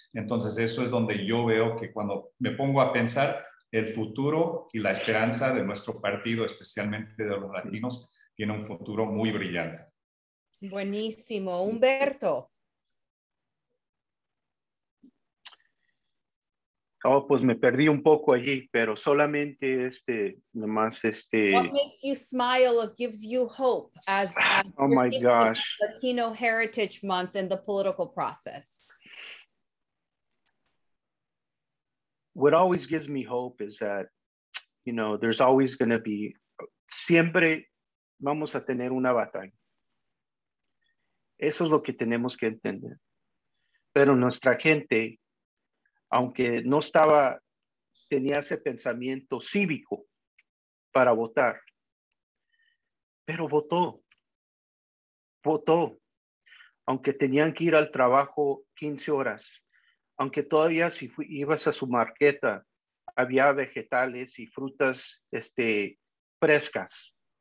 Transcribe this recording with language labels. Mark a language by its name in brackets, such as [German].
[Spanish] Entonces, eso es donde yo veo que cuando me pongo a pensar, el futuro y la esperanza de nuestro partido, especialmente de los latinos, tiene un futuro muy brillante. Buenísimo. Humberto. Oh, pues me perdí un poco allí, pero solamente este, nomás este. [English] What makes you smile or gives you hope as oh my gosh. Latino Heritage Month in the political process? What always gives me hope is that, you know, there's always going to be, [Spanish] siempre vamos a tener una batalla. Eso es lo que tenemos que entender. Pero nuestra gente, aunque no estaba, tenía ese pensamiento cívico para votar, pero votó. Votó. Aunque tenían que ir al trabajo 15 horas. Aunque todavía si ibas a su marqueta, había vegetales y frutas este, frescas.